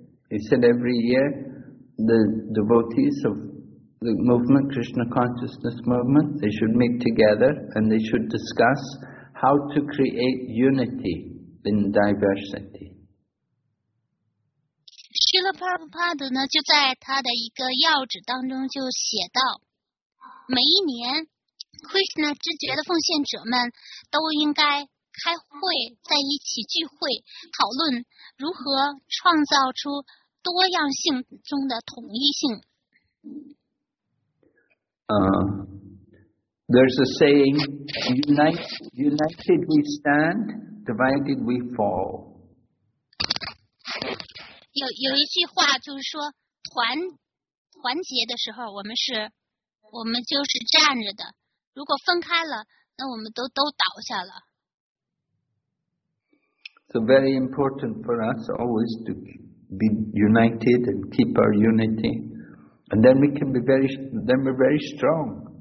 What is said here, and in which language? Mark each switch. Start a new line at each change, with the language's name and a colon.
English: He said every year, the devotees of the movement, Krishna Consciousness Movement, they should meet together and they should discuss how to create unity in diversity.
Chinese: 希勒帕布帕德呢，就在他的一个要旨当中就写到，每一年 Krishna 之觉的奉献者们都应该开会，在一起聚会，讨论如何创造出多样性中的统一性。
English: There's a saying, united we stand, divided we fall.
Chinese: 有一句话就是说，团结的时候，我们就是站着的。如果分开了，那我们都倒下了。
English: So very important for us always to be united and keep our unity, and then we can be very strong.